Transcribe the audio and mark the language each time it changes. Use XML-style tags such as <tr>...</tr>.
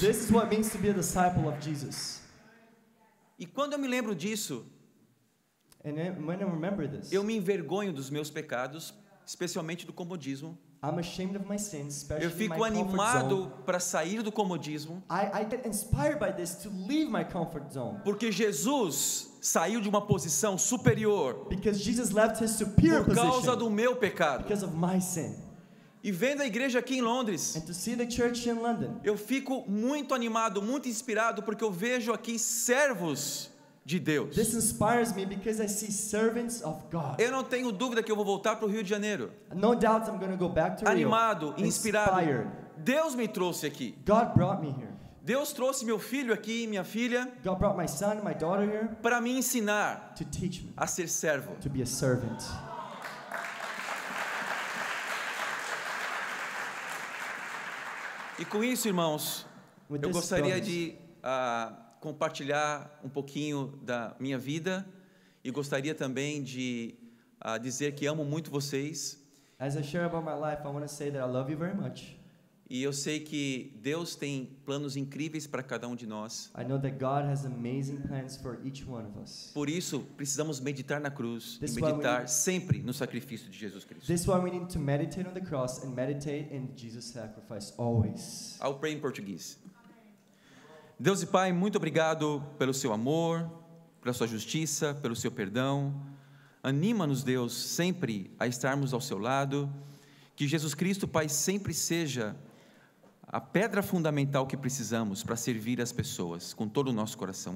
<en>This is what it means to be a disciple of Jesus.</en> <pt>E quando eu me lembro disso,</pt> <en>and when I remember this,</en> <pt>eu me envergonho dos meus pecados, especialmente do comodismo.</pt> <en>I'm ashamed of my sins, especially my comfort zone.</en> <pt>Eu fico animado para sair do comodismo.</pt> <en>I get inspired by this to leave my comfort zone.</en> <pt>Porque Jesus saiu de uma posição superior.</pt> <en>Because Jesus left his superior position.</en> <pt>Por causa do meu pecado.</pt> <en>Because of my sin.</en> <pt>E vendo a igreja aqui em Londres,</pt> <en>and to see the church in London,</en> <pt>eu fico muito animado, muito inspirado, porque eu vejo aqui servos de Deus.</pt> <en>This inspires me because I see servants of God.</en> <pt>Eu não tenho dúvida que eu vou voltar para o Rio de Janeiro.</pt> <en>No doubt I'm going to go back to Rio.</en> <pt>Animado, inspirado. Inspired. Deus me trouxe aqui.</pt> <en>God brought me here.</en> <pt>Deus trouxe meu filho aqui, minha filha.</pt> <en>God brought my son, my daughter here.</en> <pt>Para me ensinar.</pt> <en>To teach me.</en> <pt>A ser servo.</pt> <en>To be a servant.</en> <pt>E com isso, irmãos, eu gostaria de compartilhar um pouquinho da minha vida e gostaria também de dizer que amo muito vocês.</pt> <en>As I share about my life, I want to say that I love you very much.</en> <pt>E eu sei que Deus tem planos incríveis para cada um de nós.</pt> <en>I know that God has amazing plans for each one of us.</en> <pt>Por isso, precisamos meditar na cruz e meditar sempre no sacrifício de Jesus Cristo.</pt> <en>This is why we need to meditate on the cross and meditate in Jesus' sacrifice always. I'll pray in Portuguese.</en> <pt>Deus e Pai, muito obrigado pelo Seu amor, pela Sua justiça, pelo Seu perdão. Anima-nos, Deus, sempre a estarmos ao Seu lado. Que Jesus Cristo, Pai, sempre seja a pedra fundamental que precisamos para servir as pessoas com todo o nosso coração.</pt>